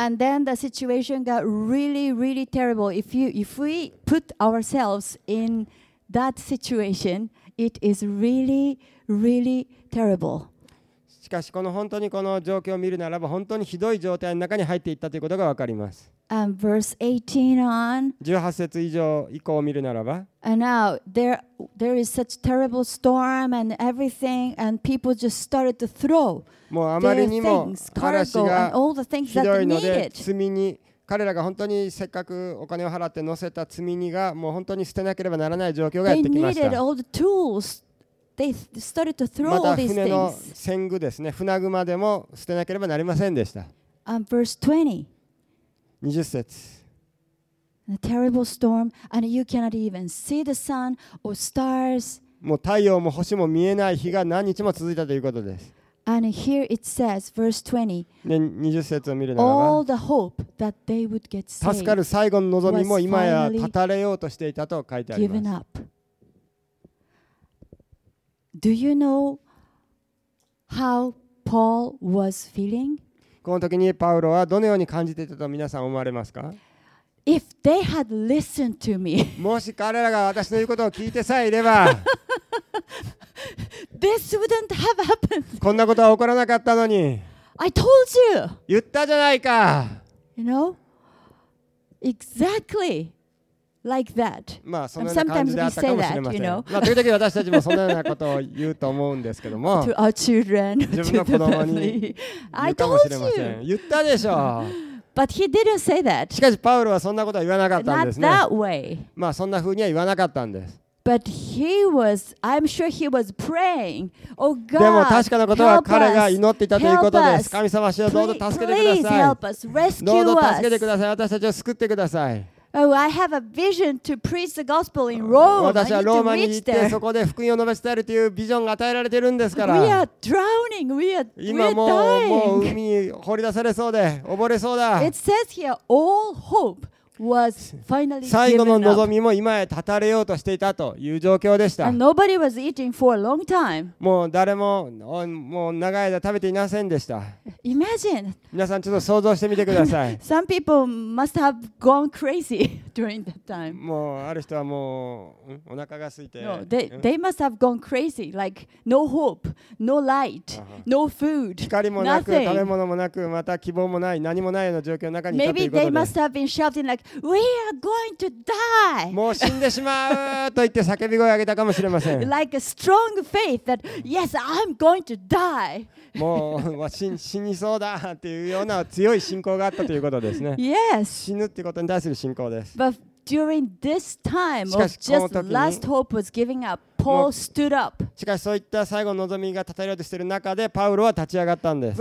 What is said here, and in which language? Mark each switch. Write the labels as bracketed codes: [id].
[en] And then the situation got really, really terrible. If we put ourselves inThat situation, it is really, really terrible. [ja] しかしこの本当にこの状況を見るならば本当にひどい状態の中に入っていったということがわかります。 [en] And verse 18 on. [ja] 18節以上以降を見るならば。 [en] And now there is such terrible storm and everything, and people just started to throw their things, cargo and all the things that they needed. [ja] 彼らが本当にせっかくお金を払って乗せた積み荷がもう本当に捨てなければならない状況がやってきました。 [en] They needed all the tools. They started to throw all these things. [ja] また船の船具ですね。船具までも捨てなければなりませんでした。 [en] Verse 20. 20 [ja] 節。 [en] A terrible storm, and you cannot even see the sun or stars. [ja] もう太陽も星も見えない日が何日も続いたということです。 [en] And here it says, verse [ja] 20. 20節を見るなら [en] ば、All the hope that they would get saved [ja] 助かる最後の望みも今や絶たれようとしていたと書いてあります。 [en] Given up. Do you know how Paul was feeling? [ja] この時にパウロはどのように感じていたと皆さん思われますか？ [en] If they had listened to me, [ja] もし彼らが私の言うことを聞いてさえいれば。 [en] This wouldn't have happened. [ja] こんなことは起こらなかったのに。 [en] I told you. [ja] 言ったじゃないか。 [en] You know? Exactly like that. [ja] まあそんな感じであったかもしれません。 [en] That, you know? [ja] まあ時々私たちもそんなようなことを言うと思うんですけども。 [en] To our children, [ja] 自分の子供に言うかもしれません。 [en] I told you. [ja] 言ったでしょう。 [en] But he didn't say that. [ja] しかしパウロはそんなことは言わなかったんですね。 [en] Not that way. [ja] まあそんな風には言わなかったんです。 [en] But he was, I'm sure he was praying. Oh God, [ja] でも確かなことは彼が祈っていたということです。神様、主よ、どうぞ助けてください。 [en] Please help us, rescue us. [ja] どうぞ助けてください。私たちを救ってください。 [en] Oh, I have a vision to preach the gospel in Rome. [ja] 私はローマに行ってそこで福音を述べ伝えるというビジョンが与えられているんですから。 [en] We are drowning. We are dying. [ja] 今もう海に放り出されそうで溺れそうだ。 [en] It says here, all hope. Was finally [ja] 最後の望みも今へ絶たれようとしていたという状況でした。 [en] And nobody was eating for a long time. [ja] もう誰ももう長い間食べていませんでした。 [en] Imagine. [ja] 皆さんちょっと想像してみてください。 [en] Some people must have gone crazy during that time. [ja] もうある人はもうお腹が空いて。 [en] No, they must have gone crazy. Like no hope, no light, no food, nothing. [ja] 光もなく、食べ物もなく、また希望もない、何もないような状況の中にいたということで。 [en] Maybe they must have been shouting like, "We are going to die!" [ja] もう死んでしまうと言って叫び声を上げたかもしれません。 [en] Like a strong faith that, "Yes, I'm going to die." [ja] もう死にそうだっていうような強い信仰があったということですね。 [en] Yes. [ja] 死ぬってことに対する信仰です。 [en] But during this time of just last hope was giving up, Paul stood up. [ja] しかしそういった最後の望みが絶たれようとしている中でパウロは立ち上がったんです。